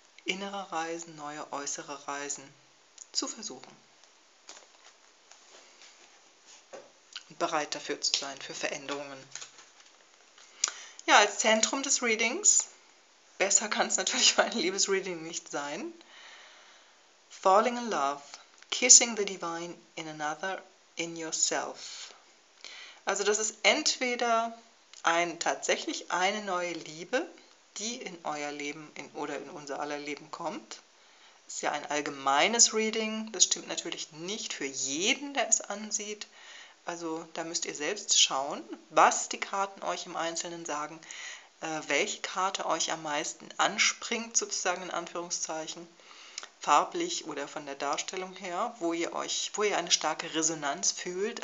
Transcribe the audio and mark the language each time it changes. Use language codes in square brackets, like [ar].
[de] innere Reisen, neue äußere Reisen zu versuchen. Und bereit dafür zu sein, für Veränderungen. Ja, als Zentrum des Readings, besser kann es natürlich für ein Liebesreading nicht sein. [en] Falling in love, kissing the divine in another, in yourself. [de] Also das ist entweder tatsächlich eine neue Liebe, die in euer Leben oder in unser aller Leben kommt. Ist ja ein allgemeines Reading, das stimmt natürlich nicht für jeden, der es ansieht. Also da müsst ihr selbst schauen, was die Karten euch im Einzelnen sagen, welche Karte euch am meisten anspringt, sozusagen in Anführungszeichen, farblich oder von der Darstellung her, wo ihr eine starke Resonanz fühlt.